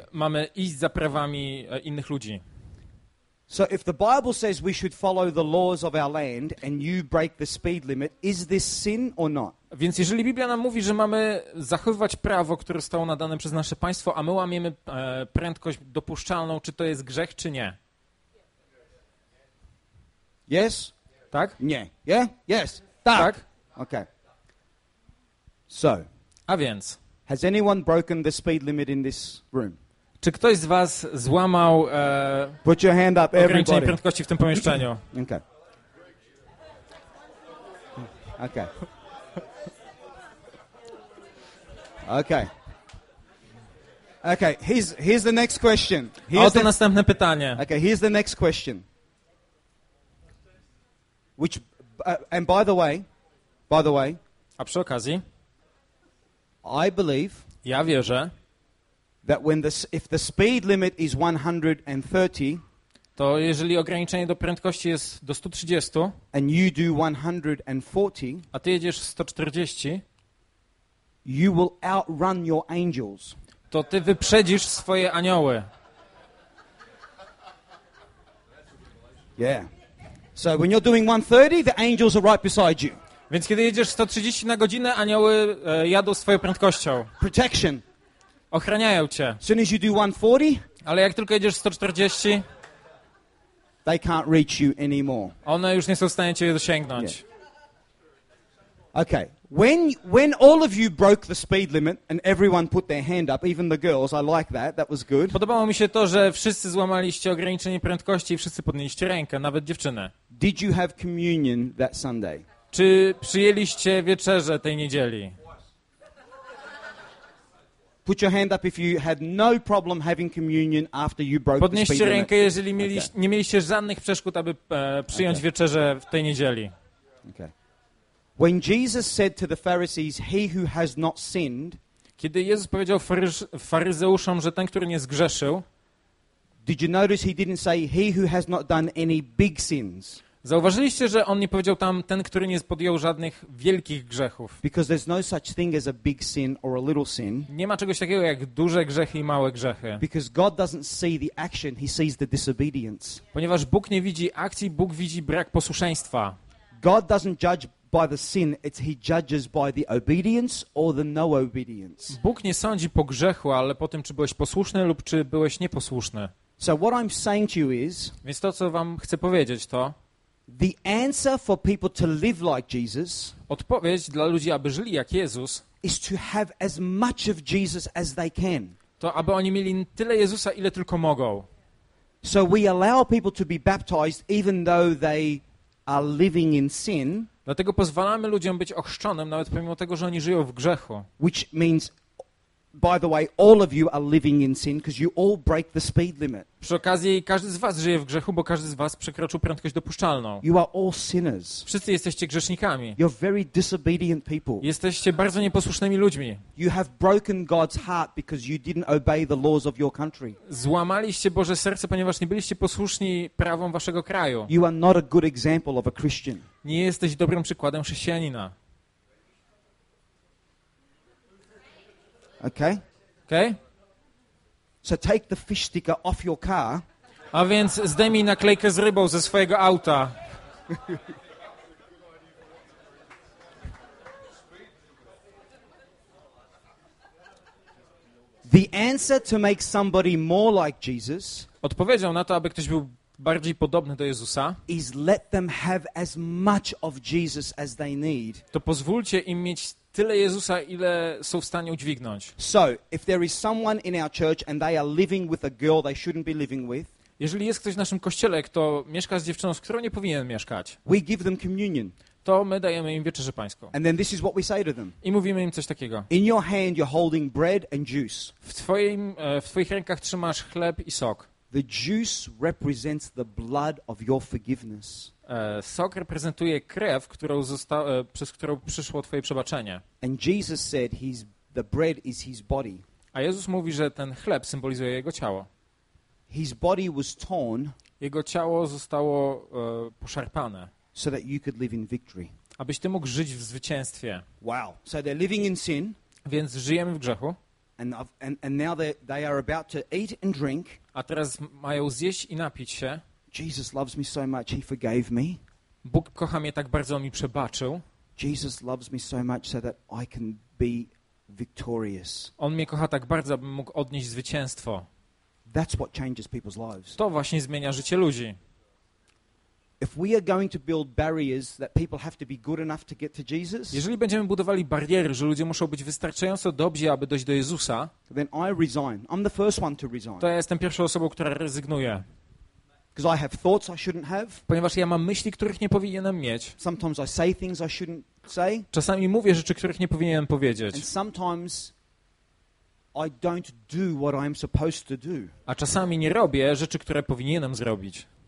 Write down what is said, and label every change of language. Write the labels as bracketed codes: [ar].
[pl] Mamy iść za prawami innych ludzi. [en] So if the Bible says we should follow the laws of our land and you break the speed limit, is this sin or not? [pl] Więc jeżeli Biblia nam mówi, że mamy zachowywać prawo, które zostało nadane przez nasze państwo, a my łamiemy prędkość dopuszczalną, czy to jest grzech, czy nie? [en] Yes? [pl] Tak? Nie. [en] Yeah? Yes. [pl] Tak. [en] Okay. So. [pl] A więc. [en] Has anyone broken the speed limit in this room? [pl] Czy ktoś z was złamał [en] put your hand up, [pl] ograniczenie [en] everybody. [pl] Prędkości w tym pomieszczeniu? [en] Okay. Okay. Okay. Here's the next question. [pl] Następne pytanie. [en] Okay. Here's the next question. Which and by the way. [pl] A przy okazji. [en] I believe [pl] ja wierzę, [en] that when the if the speed limit is 130, [pl] to jeżeli ograniczenie do prędkości jest do 130, [en] and you do 140, [pl] a ty jedziesz 140, [en] you will outrun your angels. [pl] To ty wyprzedzisz swoje anioły. [en] Yeah. So when you're doing 130, the angels are right beside you. [pl] Więc kiedy jedziesz 130 na godzinę, anioły jadą swoją prędkością. [en] Protection. [pl] Ochraniają cię. [en] As soon as you do 140, [pl] ale jak tylko jedziesz 140, [en] they can't reach you anymore. [pl] One już nie są w stanie cię dosięgnąć. [en] Yeah. Okay. When all of you broke the speed limit and everyone put their hand up, even the girls, I like that. That was good. [pl] Podobało mi się to, że wszyscy złamaliście ograniczenie prędkości i wszyscy podnieśliście rękę, nawet dziewczyny. [en] Did you have communion that Sunday? [pl] Czy przyjęliście wieczerzę tej niedzieli? [en] Put your hand up if you had no problem having communion after you broke. [pl] Podnieście rękę, jeżeli nie mieliście żadnych przeszkód, aby przyjąć wieczerzę w tej niedzieli. [en] Okay. When Jesus said to the Pharisees, "He who has not sinned," [pl] kiedy Jezus powiedział faryzeuszom, że ten, który nie zgrzeszył, [en] Did you notice he didn't say he who has not done any big sins? [pl] Zauważyliście, że on nie powiedział tam ten, który nie podjął żadnych wielkich grzechów. [en] Because there's no such thing as a big sin or a little sin. [pl] Nie ma czegoś takiego jak duże grzechy i małe grzechy. [en] Because God doesn't see the action, he sees the disobedience. [pl] Ponieważ Bóg nie widzi akcji, Bóg widzi brak posłuszeństwa. [en] God doesn't judge by the sin, it's he judges by the obedience or the no obedience. [pl] Bóg nie sądzi po grzechu, ale po tym, czy byłeś posłuszny lub czy byłeś nieposłuszny. [en] So what I'm saying to you is, [pl] więc to, co wam chcę powiedzieć, to [en] the answer for people to live like Jesus, [pl] odpowiedź dla ludzi, aby żyli jak Jezus, [en] is to have as much of Jesus as they can. [pl] To aby oni mieli tyle Jezusa, ile tylko mogą. [en] So we allow people to be baptized even though they are living in sin. [pl] Dlatego pozwalamy ludziom być ochrzczonym nawet pomimo tego, że oni żyją w grzechu. [en] Which means, by the way, all of you are living in sin because you all break the speed limit. [pl] Przy okazji każdy z was żyje w grzechu, bo każdy z was przekroczył prędkość dopuszczalną. [en] You are all sinners. [pl] Wszyscy jesteście grzesznikami. [en] You're very disobedient people. [pl] Jesteście bardzo nieposłusznymi ludźmi. [en] You have broken God's heart because you didn't obey the laws of your country. [pl] Złamaliście Boże serce, ponieważ nie byliście posłuszni prawom waszego kraju. [en] You are not a good example of a Christian. [pl] Nie jesteś dobrym przykładem chrześcijanina. [en] Okay. Okay. So take the fish sticker off your car. [pl] A więc zdejmij naklejkę z rybą ze swojego auta. [en] The answer to make somebody more like Jesus. [pl] Odpowiedzią na to, aby ktoś był bardziej podobny do Jezusa. [en] Is let them have as much of Jesus as they need. [pl] To pozwólcie im mieć tyle Jezusa, ile są w stanie udźwignąć. [en] So, if there is someone in our church and they are living with a girl they shouldn't be living with. [pl] Jeżeli jest ktoś w naszym kościele, kto mieszka z dziewczyną, z którą nie powinien mieszkać. [en] We give them communion. [pl] To my dajemy im wieczerzę pańską. [en] And then this is what we say to them. [pl] I mówimy im coś takiego. [en] In your hand you're holding bread and juice. [pl] W twoich rękach trzymasz chleb i sok. [en] The juice represents the blood of your forgiveness. [pl] Sok reprezentuje krew, którą przez którą przyszło twoje przebaczenie. [en] And Jesus said the bread is his body. [pl] A Jezus mówi, że ten chleb symbolizuje jego ciało. [en] His body was torn. [pl] Jego ciało zostało poszarpane. [en] So that you could live in victory. [pl] Abyś ty mógł żyć w zwycięstwie. [en] Wow. So they're living in sin. [pl] Więc żyjemy w grzechu. [en] And now they are about to eat and drink. [pl] A teraz mają zjeść i napić się. [en] Jesus loves me so much, he forgave me. [pl] Bóg kocha mnie tak bardzo, on mi przebaczył. [en] Jesus loves me so much so that I can be victorious. [pl] On mnie kocha tak bardzo, abym mógł odnieść zwycięstwo. [en] That's what changes people's lives. [pl] To właśnie zmienia życie ludzi. [en] If we are going to build barriers that people have to be good enough to get to Jesus? [pl] Jeżeli będziemy budowali bariery, że ludzie muszą być wystarczająco dobrzy, aby dojść do Jezusa, [en] then I resign. I'm the first one to resign. [pl] To ja jestem pierwszą osobą, która rezygnuje. [en] Because I have thoughts I shouldn't have. [pl] Ponieważ ja mam myśli, których nie powinienem mieć. [en] Sometimes I say things I shouldn't say. [pl] Czasami mówię rzeczy, których nie powinienem powiedzieć. [en] And sometimes I don't do what I'm supposed to do. [pl] A czasami nie robię rzeczy, które powinienem zrobić.